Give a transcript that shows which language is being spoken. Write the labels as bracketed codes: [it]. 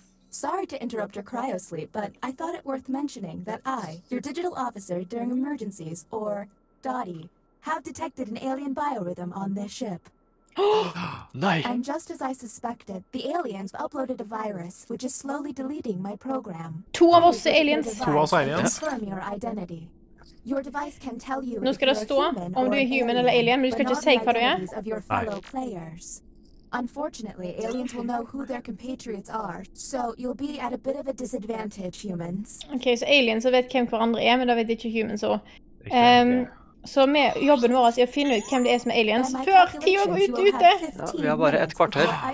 [en] Sorry to interrupt your cryosleep, but I thought it worth mentioning that I, your digital officer during emergencies, or Dottie, have detected an alien biorhythm on this ship. Nice. And just as I suspected, the aliens uploaded a virus, which is slowly deleting my program. Two of us aliens. Two of us aliens. Confirm your identity. Your device can tell you [no] nå skal det stå om du er human eller alien, men du skal ikke si hva du er. Nei. [en] Unfortunately, aliens will know who their compatriots are, so you'll be at a bit of a disadvantage, humans. [no] Ok, så aliens vet hvem hverandre er, men da vet ikke humans også. Så med jobben vår er å finne ut hvem det er som er aliens, før tida går ut ute! Ja, vi har bare et kvarter.